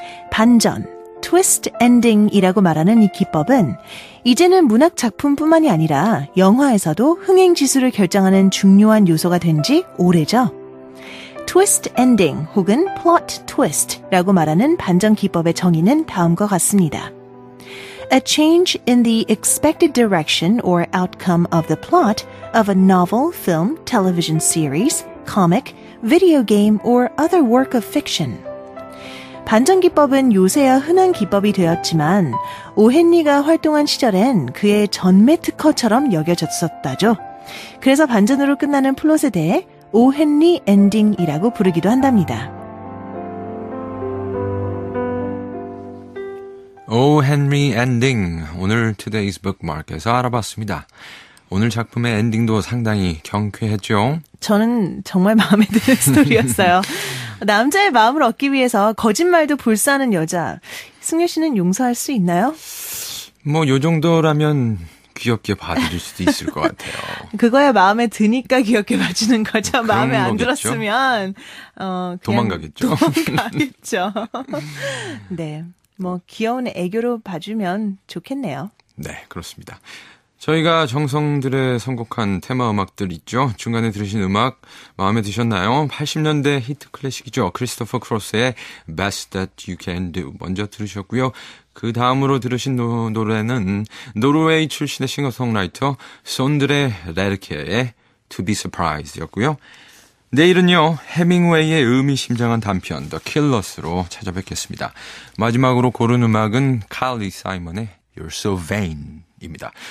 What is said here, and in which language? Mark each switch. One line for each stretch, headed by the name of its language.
Korean: 반전, 트위스트 엔딩이라고 말하는 이 기법은 이제는 문학 작품뿐만이 아니라 영화에서도 흥행지수를 결정하는 중요한 요소가 된 지 오래죠. 트위스트 엔딩 혹은 플롯 트위스트라고 말하는 반전 기법의 정의는 다음과 같습니다.
English: A change in the expected direction or outcome of the plot of a novel, film, television series, comic, video game, or other work of fiction.
Korean: 반전 기법은 요새야 흔한 기법이 되었지만 오헨리가 활동한 시절엔 그의 전매 특허처럼 여겨졌었다죠. 그래서 반전으로 끝나는 플롯에 대해 오헨리 엔딩이라고 부르기도 한답니다. 오 헨리 엔딩, 오늘 Today's Bookmark에서 알아봤습니다. 오늘 작품의 엔딩도 상당히 경쾌했죠? 저는 정말 마음에 드는 스토리였어요. 남자의 마음을 얻기 위해서 거짓말도 불사하는 여자. 승려 씨는 용서할 수 있나요? 뭐 요 정도라면 귀엽게 봐줄 수도 있을 것 같아요. 그거야 마음에 드니까 귀엽게 봐주는 거죠. 마음에 안 거겠죠? 들었으면 도망가겠죠. 도망가겠죠. 네. 뭐 귀여운 애교로 봐주면 좋겠네요. 네, 그렇습니다. 저희가 정성들의 선곡한 테마 음악들 있죠. 중간에 들으신 음악 마음에 드셨나요? 80년대 히트 클래식이죠. 크리스토퍼 크로스의 Best That You Can Do 먼저 들으셨고요. 그 다음으로 들으신 노래는 노르웨이 출신의 싱어송라이터 손드레 레르케의 To Be Surprised였고요. 내일은요, 헤밍웨이의 의미심장한 단편, The Killers로 찾아뵙겠습니다. 마지막으로 고른 음악은 칼리 사이먼의 You're So Vain입니다.